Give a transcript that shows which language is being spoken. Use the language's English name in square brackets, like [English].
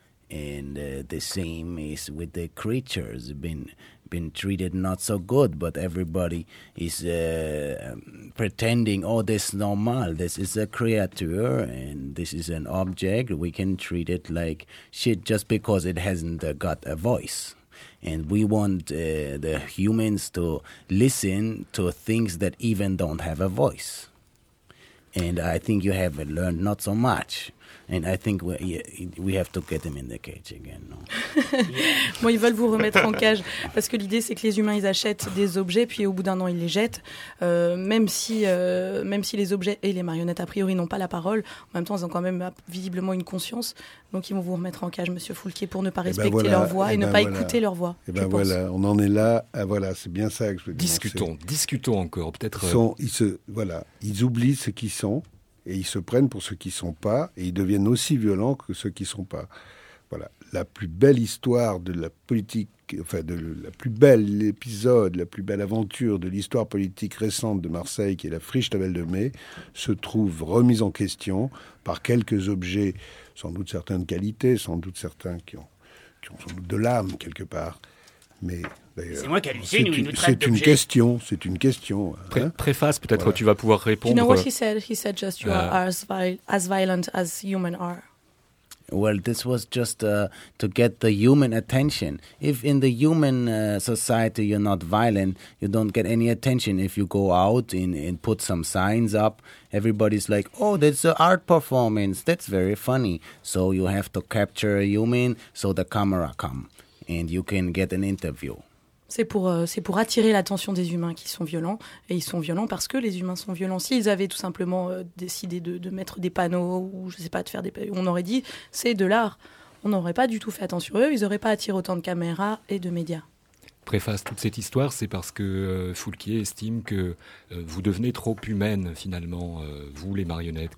[English] And the same is with the creatures, been treated not so good, but everybody is pretending, oh, this is normal, this is a creature, and this is an object, we can treat it like shit just because it hasn't got a voice. And we want the humans to listen to things that even don't have a voice. And I think you have learned not so much. And I think we have to get them in the cage again. No? [French] Bon, ils veulent vous remettre en cage parce que l'idée, c'est que les humains, ils achètent des objets, puis au bout d'un an, ils les jettent. Même si les objets et les marionnettes, a priori, n'ont pas la parole, en même temps, ils ont quand même visiblement une conscience. Donc, ils vont vous remettre en cage, Monsieur Foulquier, pour ne pas respecter ben voilà, leur voix et ne pas écouter leur voix. Et ben voilà, on en est là. Ah, voilà, c'est bien ça que je veux dire. Discutons encore, peut-être. Ils oublient ce qu'ils sont. Et ils se prennent pour ceux qui ne sont pas, et ils deviennent aussi violents que ceux qui ne sont pas. Voilà, la plus belle histoire de la politique, enfin, la plus belle épisode, la plus belle aventure de l'histoire politique récente de Marseille, qui est la friche Tavel de Mai, se trouve remise en question par quelques objets, sans doute certains de qualité, sans doute certains qui ont sans doute de l'âme, quelque part. Mais... D'ailleurs, c'est moi qui hallucine ou il nous traite d'objet. C'est une question. Hein? Préface, peut-être, voilà. Tu vas pouvoir répondre. [English] Do you know what he said? He said just you are as violent as humans are. Well, this was just to get the human attention. If in the human society you're not violent, you don't get any attention. If you go out and put some signs up, everybody's like, oh, that's an art performance. That's very funny. So you have to capture a human so the camera come and you can get an interview. [French] C'est pour attirer l'attention des humains qui sont violents. Et ils sont violents parce que les humains sont violents. S'ils avaient tout simplement décidé de mettre des panneaux ou je sais pas, de faire des panneaux, on aurait dit c'est de l'art. On n'aurait pas du tout fait attention à eux. Ils n'auraient pas attiré autant de caméras et de médias. Préface toute cette histoire, c'est parce que Foulquier estime que vous devenez trop humaine finalement, vous les marionnettes.